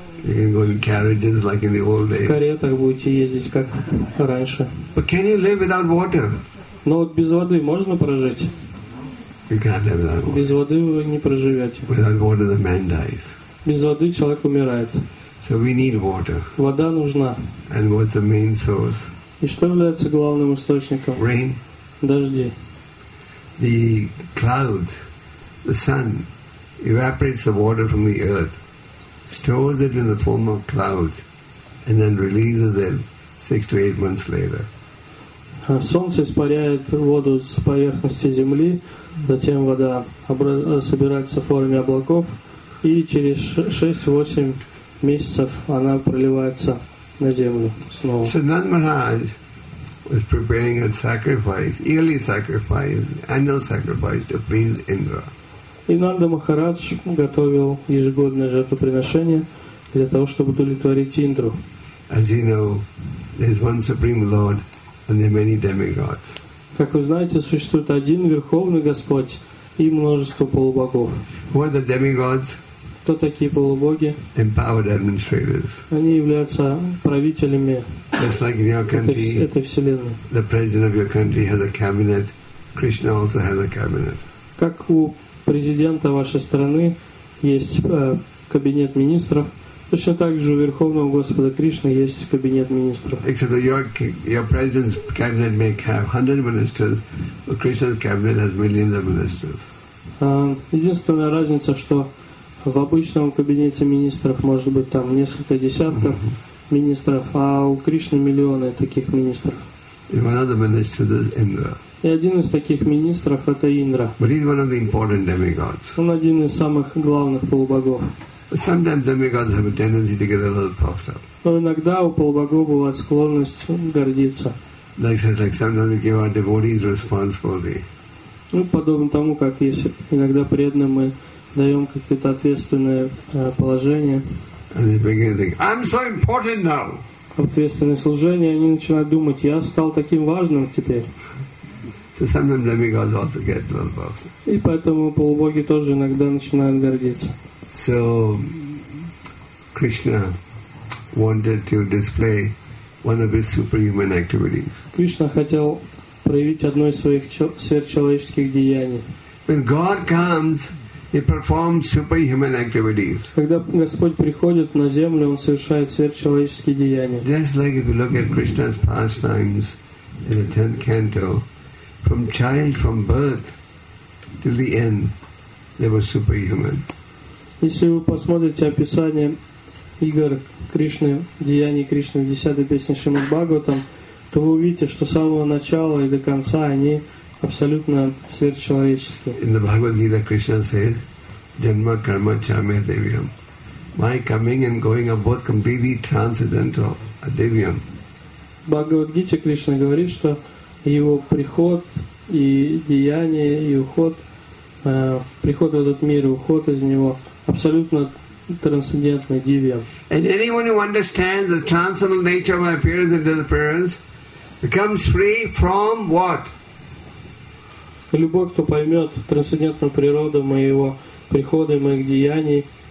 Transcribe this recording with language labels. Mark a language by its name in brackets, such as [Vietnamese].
[English] You can go in carriages like in the old days. [Russian] В каретах будете ездить как раньше. [English] But can you live without water? [Russian] Но вот без воды можно прожить? [English] You can't live without water. [Russian] Без воды вы не проживете. [English] Without water, the man dies. [Russian] Без воды человек умирает. [English] So we need water. [Russian] Вода нужна. [English] And what's the main source? [Russian] И что является главным источником? [English] Rain. [Russian] Дожди. [English] The cloud, the sun, evaporates the water from the earth, stores it in the form of clouds, and then releases it 6 to 8 months later. [Russian] Солнце испаряет воду с поверхности земли, затем вода собирается в форме облаков, и через 6-8 месяцев она проливается на землю снова. [English] So Nand Maharaj was preparing a sacrifice, yearly sacrifice, annual sacrifice to please Indra. [Russian] И Нанда Махарадж готовил ежегодное жертвоприношение для того, чтобы удовлетворить Индру. [English] As you know, there is one supreme Lord and there are many demigods. [Russian] Как вы знаете, существует один верховный Господь и множество полубогов. [English] Who are the demigods? [Russian] Кто такие полубоги? [English] Empowered administrators. [Russian] Они являются правителями [English] just like in your country, [Russian] этой вселенной. [English] The president of your country has a cabinet. Krishna also has a cabinet. [Russian] Как у президента вашей страны есть кабинет министров, точно так же у Верховного Господа Кришны есть кабинет министров. [English] Except that your president's cabinet may have 100 ministers, but Krishna's cabinet has millions of ministers. [Russian] Единственная разница, что в обычном кабинете министров может быть там несколько десятков министров, а у Кришны миллионы таких министров. [English] And one of the ministers is Indra. [Russian] И один из таких министров – это Индра. [English] But he's one of the important demigods. [Russian] Он один из самых главных полубогов. [English] But sometimes demigods have a tendency to get a little puffed up. [Russian] Но иногда у полубогов бывает склонность гордиться. [English] Like sometimes we give our devotees responsibility. [Russian] Ну, подобно тому, как если иногда преданным мы даем какое-то ответственное положение. [English] And they begin to think, I'm so important now. [Russian] Ответственное служение, они начинают думать, я стал таким важным теперь. [English] So sometimes demigods also get a little puffed. [Russian] И поэтому полубоги тоже иногда начинают гордиться. [English] So Krishna wanted to display one of his superhuman activities. [Russian] Кришна хотел проявить одно из своих сверхчеловеческих деяний. [English] When God comes, He performs superhuman activities. [Russian] Когда Господь приходит на землю, Он совершает сверхчеловеческие деяния. [English] Just like if you look at Krishna's pastimes in the 10th canto, from child, from birth till the end, they were superhuman. [Russian] Если вы посмотрите описание игр Кришны, деяний Кришны в 10-й песне Шримад Бхагаватам, то вы увидите, что с самого начала и до конца они абсолютно сверхчеловеческий. [English] In the Bhagavad Gita, Krishna says, [Sanskrit] "Janma karma chame devyam." [English] My coming and going are both completely transcendental, devyam. [Russian] В Бхагавад Гите Кришна говорит, что его приход и деяние и уход, приход в этот мир и уход из него абсолютно трансцендентный, девьям. [English] And anyone who understands the transcendental nature of my appearance and disappearance becomes free from what? [Russian] Любой, кто поймет трансцендентную природу моего прихода и моих деяний,